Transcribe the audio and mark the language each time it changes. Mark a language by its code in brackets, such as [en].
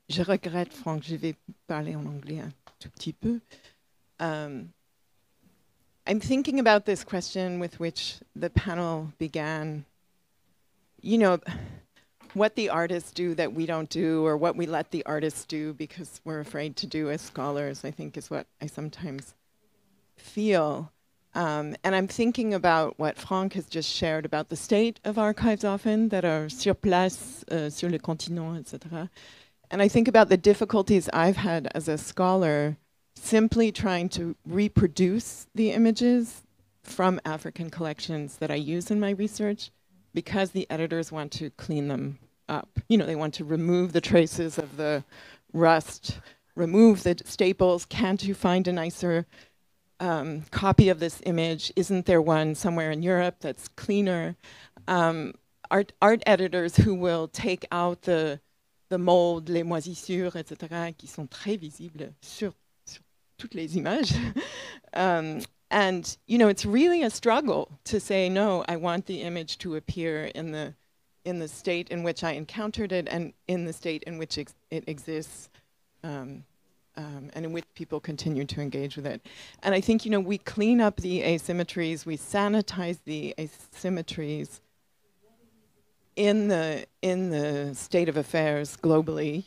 [fr] Je regrette, Franck, je vais parler en anglais un tout petit peu. [en] I'm thinking about this question with which the panel began. You know, what the artists do that we don't do, or what we let the artists do because we're afraid to do as scholars, I think is what I sometimes feel. And I'm thinking about what Franck has just shared about the state of archives often that are [fr] sur place, sur le continent, [en] etc. And I think about the difficulties I've had as a scholar simply trying to reproduce the images from African collections that I use in my research because the editors want to clean them up. You know, they want to remove the traces of the rust, remove the staples. Can't you find a nicer copy of this image? Isn't there one somewhere in Europe that's cleaner? Art editors who will take out the mold, [fr] les moisissures, etc., qui sont très visibles sur toutes les images. [en] And, you know, it's really a struggle to say, no, I want the image to appear in the state in which I encountered it and in the state in which it exists and in which people continue to engage with it. And I think, you know, we clean up the asymmetries, we sanitize the asymmetries in the state of affairs globally.